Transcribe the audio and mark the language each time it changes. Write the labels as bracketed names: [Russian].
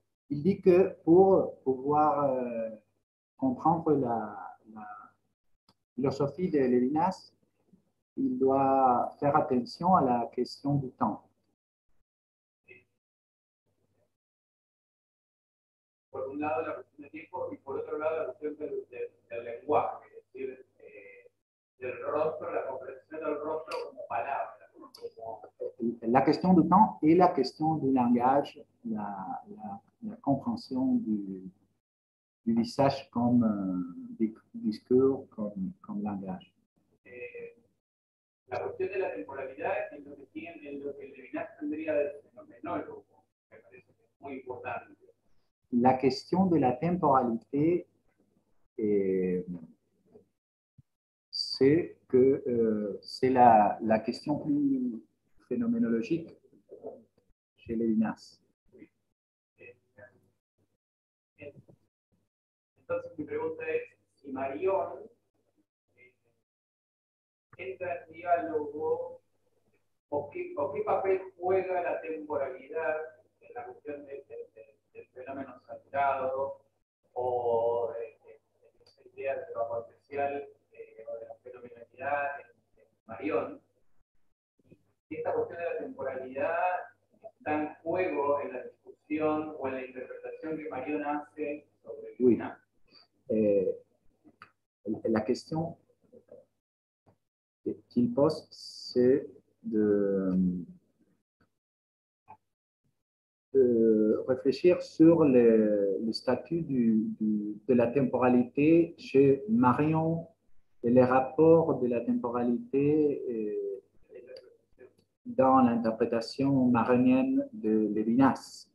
[French] il dit que pour pouvoir comprendre la philosophie de Levinas, il doit faire attention à la question du temps. [Spanish] Por un lado la cuestión del tiempo y por otro lado la cuestión del lenguaje, es decir, del rostro, la comprensión del rostro como palabra. [French] La question du temps et la question du langage, la compréhension du visage comme discours, comme langage. La question de la temporalité est ce que Levinas tendrait de phénoménologue, me paraît très important. La question de la temporalité, c'est que c'est la question plus phénoménologique chez Levinas. [Spanish] Entonces mi pregunta es si Marion entra en diálogo o qué papel juega la temporalidad en la cuestión del fenómeno sagrado o de esa idea de lo potencial o de la fenomenalidad de Marion. Esta cuestión de la temporalidad está en juego en la discusión o en la interpretación que Marion hace sobre Luna. [French] La question qu'il pose, c'est de réfléchir sur le statut de la temporalité chez Marion et les rapports de la temporalité dans l'interprétation marionienne de Levinas.